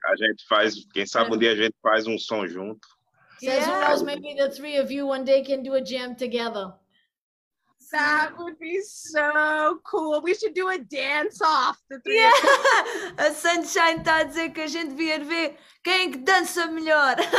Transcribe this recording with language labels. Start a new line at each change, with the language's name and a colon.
Portuguese: a gente faz, quem sabe um dia a gente faz um som junto.
English: Says, who knows, maybe the three of you one day can do a jam together. That would be so cool. We should do a dance off, the three of us. Yeah!
Portuguese: A Sunshine está a dizer que a gente devia ver quem é que dança melhor.